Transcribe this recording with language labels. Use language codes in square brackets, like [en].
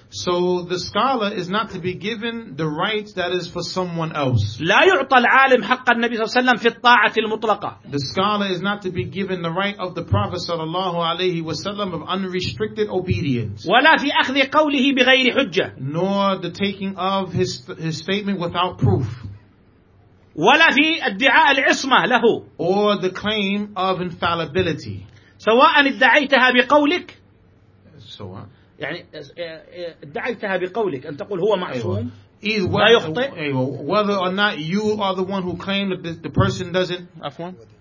[en] So the scholar is not to be given the rights that is for someone else. [ar] لا يعطى العالم حق النبي صلى الله عليه وسلم في الطاعة المطلقة. [en] The scholar is not to be given the right of the Prophet [ar] صلى الله عليه وسلم [en] of unrestricted obedience. [ar] ولا في أخذ قوله بغير حجة. [en] Nor the taking of his statement without proof. [ar] ولا في ادعاء العصمة له. [en] Or the claim of infallibility. [ar] سواء ادعيتها بقولك. سواء. يعني ادعيتها بقولك أن تقول هو معصوم. [en] Either way, whether or not you are the one who claimed that the person doesn't, Afwan?